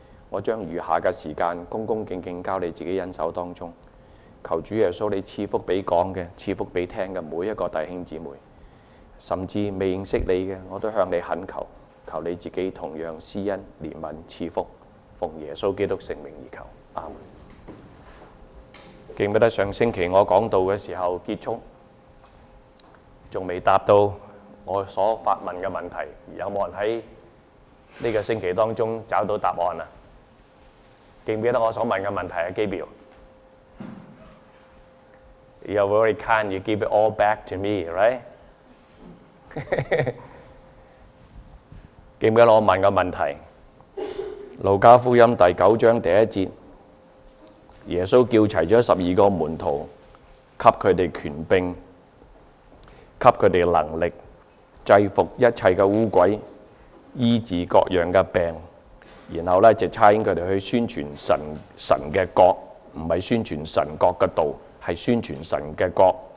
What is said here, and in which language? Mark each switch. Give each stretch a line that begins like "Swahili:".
Chinese: 我将余下的时间恭恭敬敬交你自己恩手当中，求主耶稣你赐福给讲的，赐福给听的每一个弟兄姊妹，甚至未认识你的，我都向你恳求，求你自己同样施恩怜悯赐福，奉耶稣基督圣名而求，阿们。记不记得上星期我讲道的时候结束，还未答到我所发问的问题，有没有人在这个星期当中找到答案啊？记不记得我所问的问题啊？
English: Gabriel， you are very kind, you give it all back to me, right?
Chinese: 记不记得我问的问题，路加福音第九章第一节，耶稣叫齐了十二个门徒，给他们权柄，给他们能力，制服一切的污鬼，医治各样的病，然后就差遣他们去宣传 神的国，不是宣传神国的道，是宣传神的国。